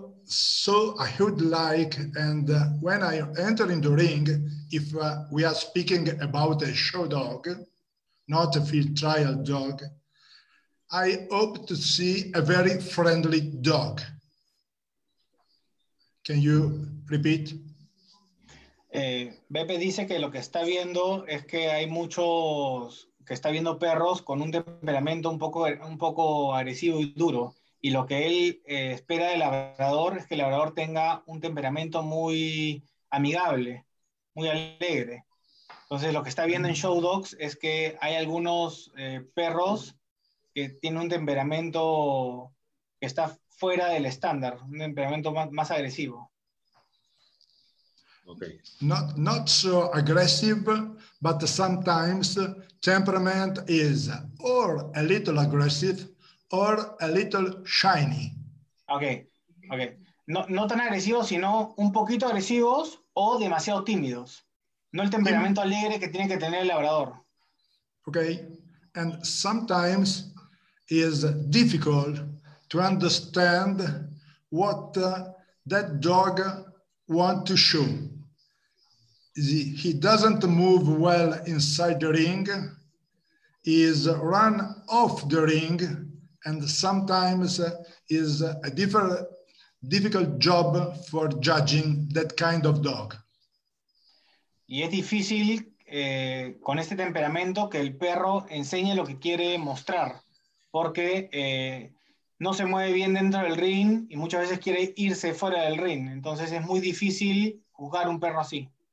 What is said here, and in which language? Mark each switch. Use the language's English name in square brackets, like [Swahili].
[English] So I would like, and when I enter in the ring, if we are speaking about a show dog, not a field trial dog, I hope to see a very friendly dog. Can you repeat? [Spanish] Beppe dice que lo que está viendo es que hay muchos que está viendo perros con un temperamento un poco agresivo y duro, y lo que él espera del labrador es que el labrador tenga un temperamento muy amigable, muy alegre. Entonces lo que está viendo en show dogs es que hay algunos perros que tienen un temperamento que está fuera del estándar, un temperamento más agresivo. [English] Okay. Not so aggressive, but sometimes temperament is or a little aggressive or a little shiny. Okay. [Spanish] No tan agresivos, sino un poquito agresivos o demasiado tímidos. No el temperamento alegre que tiene que tener el labrador. [English] Okay. And sometimes is difficult to understand what that dog want to show. He doesn't move well inside the ring, he is run off the ring, and sometimes is a difficult job for judging that kind of dog. [Spanish] Y es difícil con este temperamento que el perro enseñe lo que quiere mostrar, porque no se mueve bien dentro del ring y muchas veces quiere irse fuera del ring. Entonces es muy difícil juzgar un perro así.